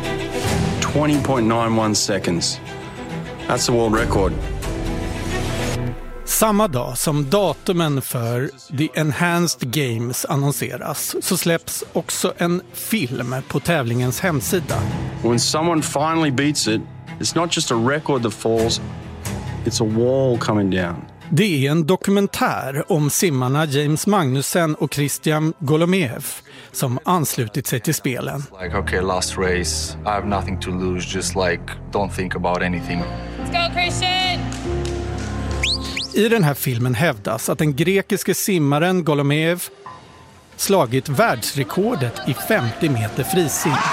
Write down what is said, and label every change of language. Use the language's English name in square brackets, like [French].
[English] 20.91 seconds. That's the world record. [Swedish] Samma dag som datumen för The Enhanced Games annonseras så släpps också en film på tävlingens hemsida. [English] When someone finally beats it, it's not just a record that falls, it's a wall coming down. [Swedish] Det är en dokumentär om simmarna James Magnussen och Christian Golomeev som anslutit sig till spelen. [English] Like, okay, last race, I have nothing to lose, just like, don't think about anything. Let's go, Christian! [Swedish] I den här filmen hävdas att den grekiske simmaren Golomeev slagit världsrekordet i 50 meter frisim.